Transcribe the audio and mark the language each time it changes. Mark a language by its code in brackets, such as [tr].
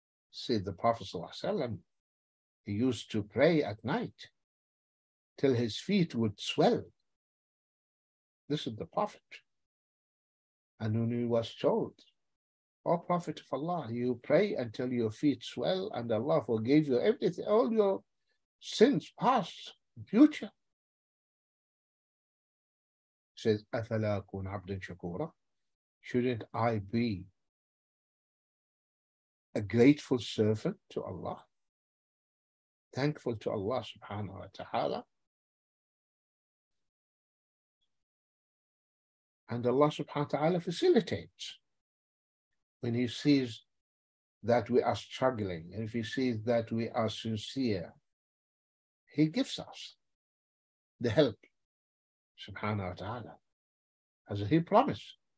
[en] See, the Prophet ﷺ, he used to pray at night till his feet would swell. This is the Prophet. And when he was told, O Prophet of Allah, you pray until your feet swell and Allah forgave you everything, all your sins, past, future. [ar] Says, أَفَلَا أَكُونَ عَبْدًا شَكُورًا. [en] Shouldn't I be a grateful servant to Allah? Thankful to Allah subhanahu wa ta'ala? And Allah subhanahu wa ta'ala facilitates when He sees that we are struggling, and if He sees that we are sincere, He gives us the help subhanahu wa ta'ala, as He promised.